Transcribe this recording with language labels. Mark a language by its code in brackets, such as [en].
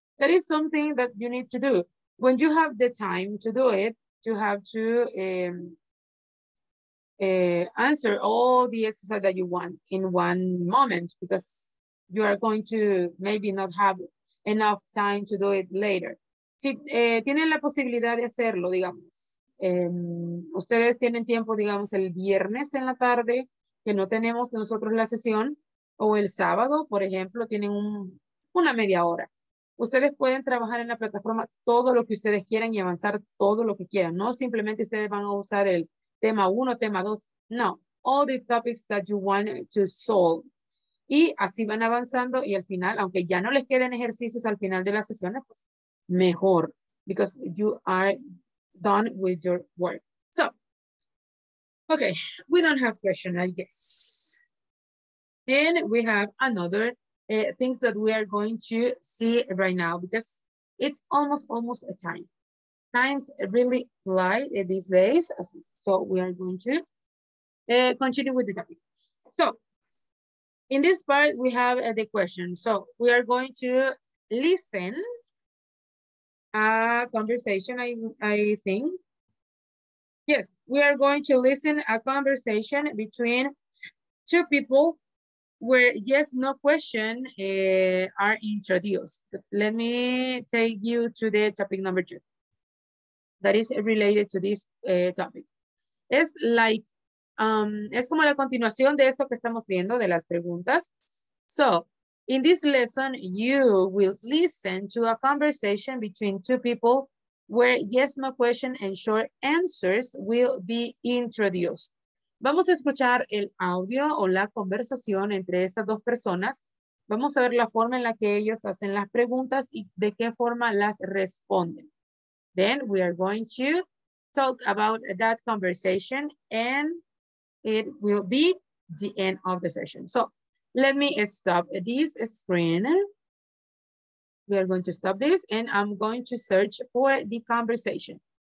[en] That is something that you need to do. When you have the time to do it, you have to answer all the exercise that you want in one moment, because you are going to maybe not have enough time to do it later. [es] Si tienen la posibilidad de hacerlo, digamos. Ustedes tienen tiempo, digamos, el viernes en la tarde, que no tenemos nosotros la sesión, o el sábado, por ejemplo, tienen una media hora. Ustedes pueden trabajar en la plataforma todo lo que ustedes quieran y avanzar todo lo que quieran. No simplemente ustedes van a usar el tema uno, tema dos. [en] No, all the topics that you want to solve. [es] Y así van avanzando y al final, aunque ya no les queden ejercicios al final de las sesiones, pues mejor, [en] because you are done with your work. So, okay, we don't have question, I guess. And we have another things that we are going to see right now, because it's almost a time. Times really fly these days, so we are going to continue with the topic. So, in this part, we have the question. So, we are going to listen a conversation, I think. Yes, we are going to listen a conversation between two people where yes, no question are introduced. Let me take you to the topic number two that is related to this topic. [es] Es like, es como la continuación de esto que estamos viendo, de las preguntas. [en] So, in this lesson, you will listen to a conversation between two people where yes, no question and short answers will be introduced. [es] Vamos a escuchar el audio o la conversación entre estas dos personas. Vamos a ver la forma en la que ellos hacen las preguntas y de qué forma las responden. [en] Then we are going to talk about that conversation and it will be the end of the session. So let me stop this screen. We are going to stop this and I'm going to search for the conversation.